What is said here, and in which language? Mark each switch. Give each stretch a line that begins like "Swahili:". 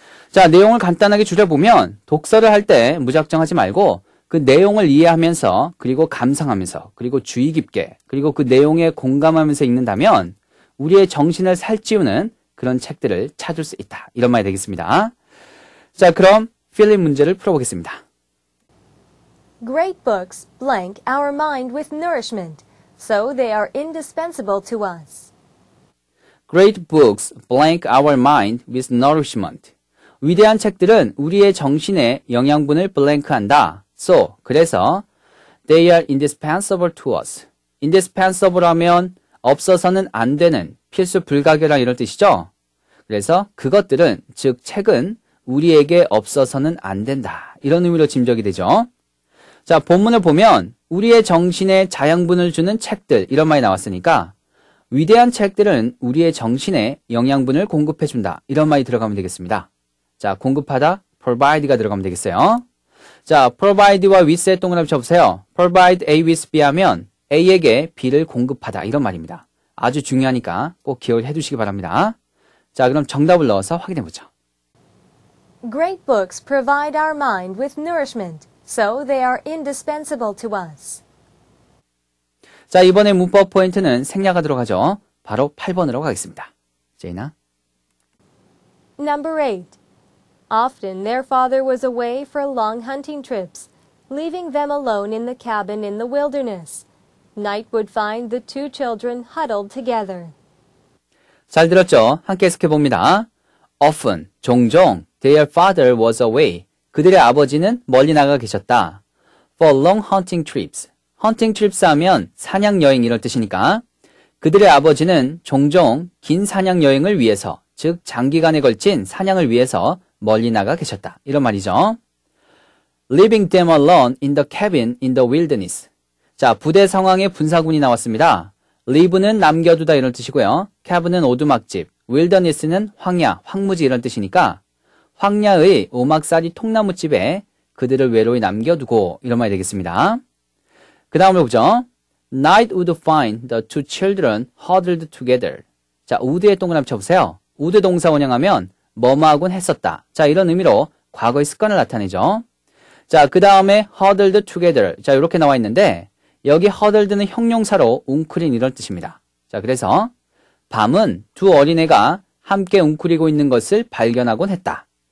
Korean: 자, 내용을 간단하게 줄여보면 독서를 할 때 무작정 하지 말고 그 내용을 이해하면서 그리고 감상하면서 그리고 주의 깊게 그리고 그 내용에 공감하면서 읽는다면 우리의 정신을 살찌우는 그런 책들을 찾을 수 있다. 이런 말이 되겠습니다. 자, 그럼 필립 문제를 풀어보겠습니다.
English: Great books blank our mind with nourishment, so they are indispensable to us. Great books blank our mind with nourishment.
Korean: 위대한 책들은 우리의 정신에 영양분을 블랭크한다.
English: So,
Korean: 그래서
English: they are indispensable to us.
Korean: Indispensable 하면 없어서는 안 되는 필수 불가결한 이런 뜻이죠. 그래서 그것들은, 즉 책은 우리에게 없어서는 안 된다. 이런 의미로 짐작이 되죠. 자, 본문을 보면 우리의 정신에 자양분을 주는 책들 이런 말이 나왔으니까 위대한 책들은 우리의 정신에 영양분을 공급해 준다 이런 말이 들어가면 되겠습니다. 자, 공급하다 provide가 들어가면 되겠어요. 자, provide와 with의 동그라미 쳐보세요. provide A with B 하면 A에게 B를 공급하다 이런 말입니다. 아주 중요하니까 꼭 기억을 해두시기 바랍니다. 자, 그럼 정답을 넣어서 확인해 보죠.
English: Great books provide our mind with nourishment, so they are indispensable to us.
Korean: 자, 이번에 문법 포인트는 생략하도록 하죠. 바로 8번으로 가겠습니다. 제이나.
English: Number 8. Often their father was away for long hunting trips, leaving them alone in the cabin in the wilderness. Night would find the two children huddled together.
Korean: 잘 들었죠? 함께 해석해 봅니다.
English: Often,
Korean: 종종,
English: their father was away.
Korean: 그들의 아버지는 멀리 나가 계셨다.
English: For long hunting trips. Hunting trips
Korean: 하면 사냥 여행 이럴 뜻이니까. 그들의 아버지는 종종 긴 사냥 여행을 위해서, 즉 장기간에 걸친 사냥을 위해서 멀리 나가 계셨다. 이런 말이죠.
English: Leaving them alone in the cabin in the wilderness.
Korean: 자, 부대 상황에 분사군이 나왔습니다. Leave는 남겨두다 이런 뜻이고요. Cabin은 오두막집, Wilderness는 황야, 황무지 이런 뜻이니까 황야의 오막살이 통나무집에 그들을 외로이 남겨두고 이런 말이 되겠습니다. 그 다음으로 보죠.
English: Night would find the two children huddled together.
Korean: 자, would에 동그라미 쳐보세요. would 동사 원형하면 뭐뭐하곤 했었다. 자, 이런 의미로 과거의 습관을 나타내죠. 자, 그 다음에 huddled together. 자, 이렇게 나와 있는데 여기 huddled는 형용사로 웅크린 이런 뜻입니다. 자, 그래서 밤은 두 어린애가 함께 웅크리고 있는 것을 발견하곤 했다.